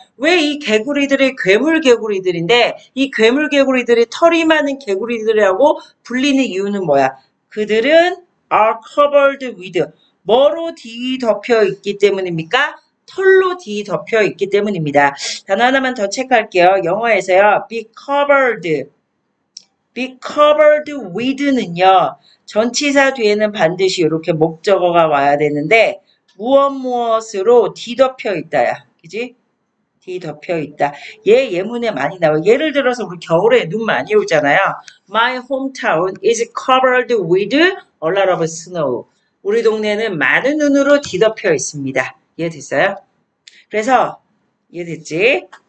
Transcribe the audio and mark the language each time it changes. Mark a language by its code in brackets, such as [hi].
[ko] 왜이 개구리들이 괴물 개구리들인데 이 괴물 개구리들이 털이 많은 개구리들이라고 불리는 이유는 뭐야? 그들은 [en] are covered with [ko] 뭐로 뒤덮여 있기 때문입니까? 털로 뒤덮여 있기 때문입니다. 단어 하나만 더 체크할게요. 영어에서요. [en] Be covered. Be covered with는요. [ko] 전치사 뒤에는 반드시 이렇게 목적어가 와야 되는데, 무엇무엇으로 뒤덮여 있다야. 그지? 뒤덮여 있다. 얘 예문에 많이 나와. 예를 들어서 우리 겨울에 눈 많이 오잖아요. [en] My hometown is covered with a lot of snow. [ko] 우리 동네는 많은 눈으로 뒤덮여 있습니다. 이해됐어요? 그래서 이해됐지?